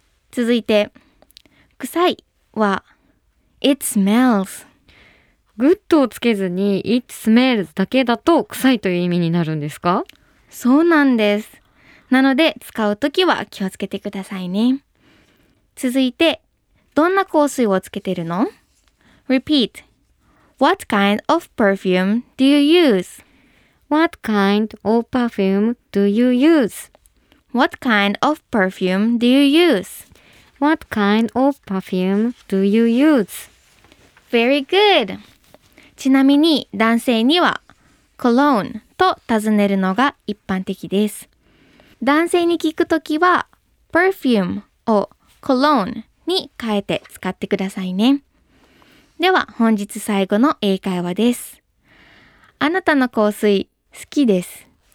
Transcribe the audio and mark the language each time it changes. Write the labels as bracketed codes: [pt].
[ja] 続いて、臭いは [en] It smells. [ja] Good をつけずに [en] It smells [ja] だけだと臭いという意味になるんですか？そうなんです。なので使うときは気をつけてくださいね。続いて、どんな香水をつけてるの？ [en] Repeat: What kind of perfume do you use? What kind of perfume do you use? What kind of perfume do you use? What kind of perfume do you use? Very good. [ja] ちなみに男性にはコロンと尋ねるのが一般的です。男性に聞くときは perfume をコロンに変えて使ってくださいね。では本日最後の英会話です。あなたの香水好きです。